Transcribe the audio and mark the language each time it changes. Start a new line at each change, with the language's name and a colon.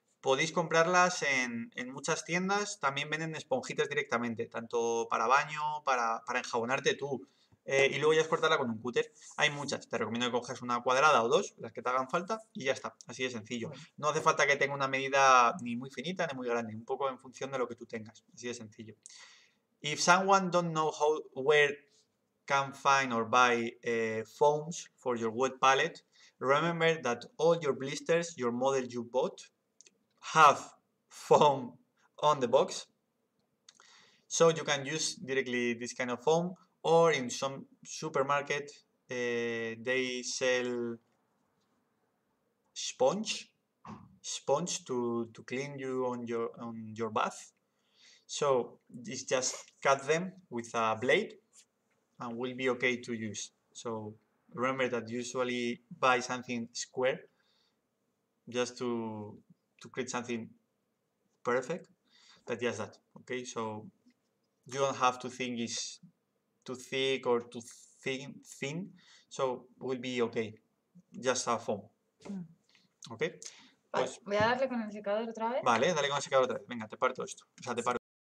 Spanish: Podéis comprarlas en muchas tiendas. También venden esponjitas directamente, tanto para baño, para enjabonarte tú. Y luego ya es cortarla con un cúter. Hay muchas. Te recomiendo que cojas una cuadrada o dos, las que te hagan falta, y ya está. Así de sencillo. No hace falta que tenga una medida ni muy finita ni muy grande. Un poco en función de lo que tú tengas. Así de sencillo.
English: If someone don't know how where can find or buy foams for your wet palette, remember that all your blisters, your model you bought, have foam on the box. So you can use directly this kind of foam. Or in some supermarket, they sell sponge to clean you on your bath. So it's just cut them with a blade, and will be okay to use. So remember that usually buy something square, just to create something perfect. But just that, okay? So you don't have to think it's too thick or too thin, so will be okay, just a foam, okay?
Spanish: Vale, pues, voy a darle con el secador otra vez. Vale, dale con el secador otra vez. Venga, te parto esto. O sea, te parto.